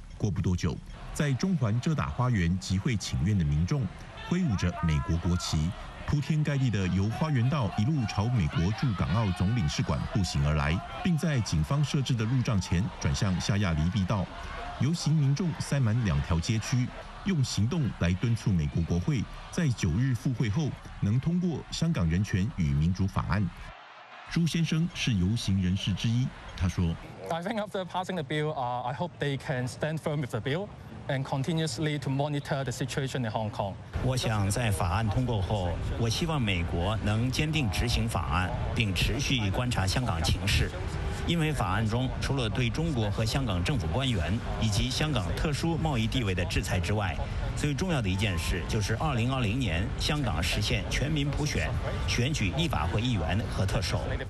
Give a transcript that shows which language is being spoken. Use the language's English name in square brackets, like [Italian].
[Chinese] 过不多久，在中环遮打花园集会请愿的民众挥舞着美国国旗，铺天盖地的由花园道一路朝美国驻港澳总领事馆步行而来，并在警方设置的路障前转向夏亚厘壁道。游行民众塞满两条街区，用行动来敦促美国国会在九日复会后能通过香港人权与民主法案。朱先生是游行人士之一，他说 [English] I think after passing the bill, I hope they can stand firm with the bill and continuously to monitor the situation in Hong Kong. [Chinese] 我想在法案通过后，我希望美国能坚定执行法案，并持续观察香港情势。因为法案中除了对中国和香港政府官员以及香港特殊贸易地位的制裁之外，最重要的一件事就是2020年香港实现全民普选，选举立法会议员和特首。